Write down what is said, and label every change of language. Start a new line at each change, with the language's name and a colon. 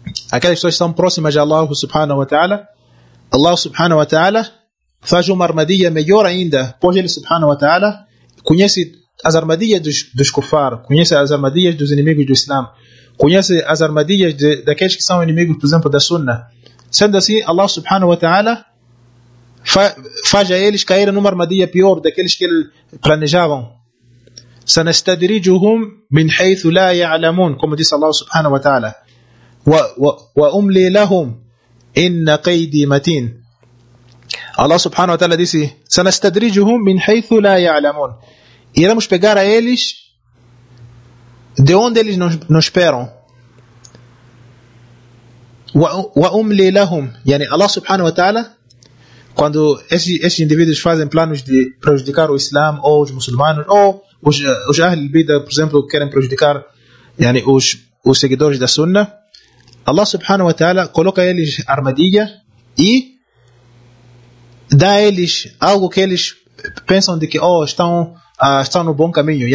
Portuguese: aquelas pessoas que estão próximas de Allah subhanahu wa ta'ala, Allah subhanahu wa ta'ala faz uma armadilha melhor ainda, pois ele subhanahu wa ta'ala conhece as armadilhas dos kufar, conhece as armadilhas dos inimigos do Islã, conhece as armadilhas daqueles que são inimigos, por exemplo, da Sunna. Sendo assim, Allah subhanahu wa ta'ala faz a eles caírem numa armadilha pior daqueles que eles planejavam.
Arabic: سنستدرجهم من حيث لا يعلمون كما قال الله سبحانه وتعالى وأملي لهم إن قيدي متين. الله سبحانه وتعالى قال سنستدرجهم من حيث لا يعلمون
Portuguese: iremos pegar a eles de onde eles não esperam.
Arabic: وأملي لهم يعني الله سبحانه وتعالى
Portuguese: quando esses indivíduos fazem planos de prejudicar o Islam ou os muçulmanos ou os Ahl al-Bida, por exemplo, querem prejudicar yani os seguidores da Sunna, Allah subhanahu wa ta'ala coloca eles armadilha e dá a eles algo que eles pensam de que estão no bom caminho.